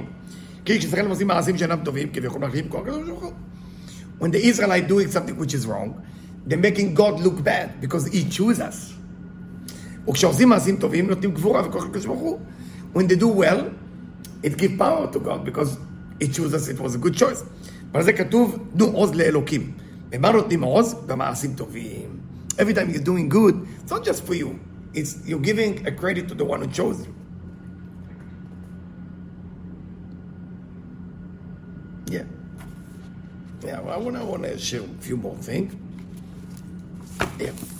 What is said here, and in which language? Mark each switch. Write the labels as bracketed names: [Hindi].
[English] When the Israelites doing something which is wrong, they're making God look bad because he chooses us. [Hebrew] וכשעושים מעשים טובים, נותנים גבורה וכוח לקדוש ברוך הוא. [English] When they do well, it gives power to God because he chooses us, it was a good choice. [Hebrew] אבל זה כתוב, נו עוז לאלוקים. ומה נותנים עוז? במעשים טובים. [English] Every time you're doing good, it's not just for you. It's you're giving a credit to the one who chose you. Yeah, well, I want to share a few more things. Yeah.